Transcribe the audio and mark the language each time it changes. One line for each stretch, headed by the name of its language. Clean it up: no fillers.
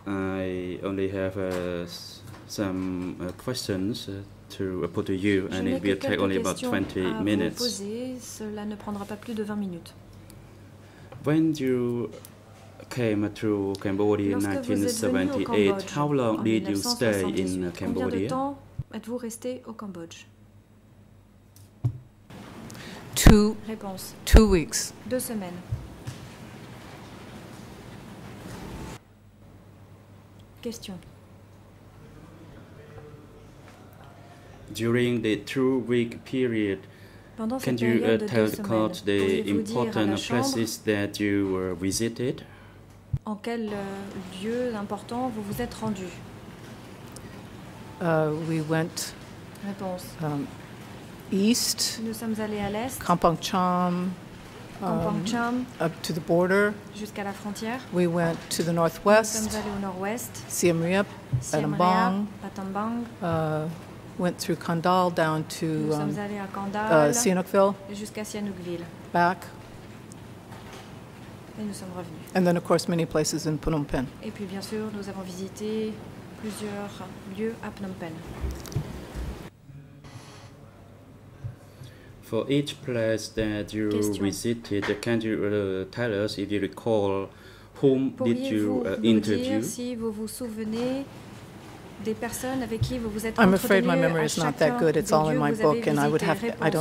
English: I only have some questions to put to you, and it will take only about 20 minutes.
French: Cela ne prendra pas plus de 20 minutes.
English: When you came to Cambodia in 1978, how long did you stay in Cambodia?
French: Combien de temps êtes-vous resté au Cambodge?
English: Two weeks.
French: Deux semaines. Question.
English: During the two-week period, can you tell the court the important places that you visited?
French: En quel lieu important vous vous êtes rendu?
English: We went.
French: Réponse.
English: East.
French: Nous sommes allés à l'est.
English: Kampong Cham. Up to the border.
French: Jusqu'à la frontière.
English: We went to the northwest.
French: Nous sommes allés au nord-ouest.
English: Siem Reap. Patambang. Patambang. Went through Kandal down to Sihanoukville.
French: Jusqu'à Sihanoukville.
English: Back.
French: Et nous sommes revenus.
English: And then, of course, many places in Phnom Penh.
French: Et puis, bien sûr, nous avons visité plusieurs lieux à Phnom Penh.
English: For each place that you visited, can you tell us if you recall whom did you interview?
French: Dire si vous vous souvenez des personnes avec qui vous vous êtes
English: I'm afraid my memory is not that good. It's all in my book, and I would have to.